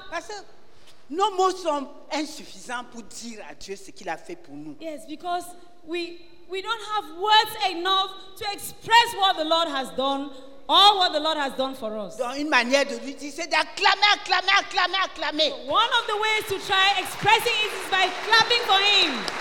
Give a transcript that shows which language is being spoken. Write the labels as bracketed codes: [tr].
[fr] Parce que nos mots sont insuffisants pour dire à Dieu ce qu'il a fait pour nous. [en] Yes, because we don't have words enough to express what the Lord has done. All what the Lord has done for us. [fr] Donc une manière de lui dire, c'est d'acclamer, acclamer, acclamer, acclamer. [en] One of the ways to try expressing it is by clapping for him.